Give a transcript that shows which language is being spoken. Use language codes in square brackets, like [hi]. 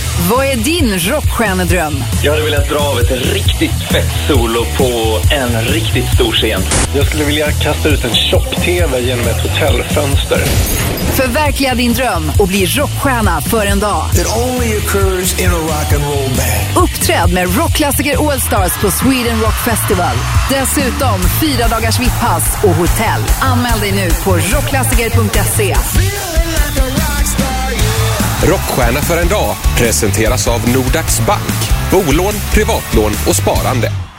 [sv] Vad är din rockstjärnedröm? Jag hade velat dra av ett riktigt fett solo på en riktigt stor scen. Jag skulle vilja kasta ut en chock-tv genom ett hotellfönster. Förverkliga din dröm och bli rockstjärna för en dag. [en] It only occurs in a rock and roll band. [sv] Uppträd med rockklassiker Allstars på Sweden Rock Festival. Dessutom 4 dagars VIP-pass och hotell. Anmäl dig nu på rockklassiker.se. Rockstjärna för en dag presenteras av Nordax Bank. Bolån, privatlån och sparande.